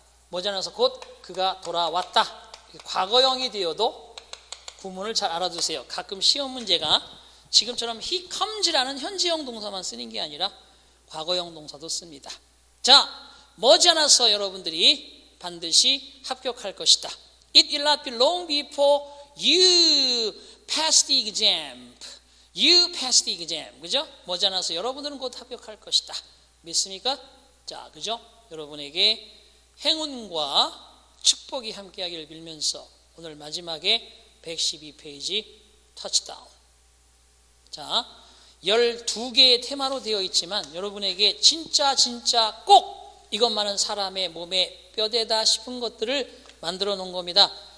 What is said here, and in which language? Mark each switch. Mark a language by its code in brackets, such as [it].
[ko] 머지않아서 곧 그가 돌아왔다. 과거형이 되어도 구문을 잘 알아두세요. 가끔 시험 문제가 지금처럼 he comes라는 현재형 동사만 쓰는 게 아니라 과거형 동사도 씁니다. 자, 머지않아서 여러분들이 반드시 합격할 것이다. [en] It will not be long before you pass the exam. You pass the exam. [ko] 그죠? 머지않아서 여러분들은 곧 합격할 것이다. 믿습니까? 자, 그죠? 여러분에게 행운과 축복이 함께하기를 빌면서 오늘 마지막에 112페이지 터치다운. 자, 12개의 테마로 되어 있지만 여러분에게 진짜 진짜 꼭 이것만은 사람의 몸에 뼈대다 싶은 것들을 만들어 놓은 겁니다.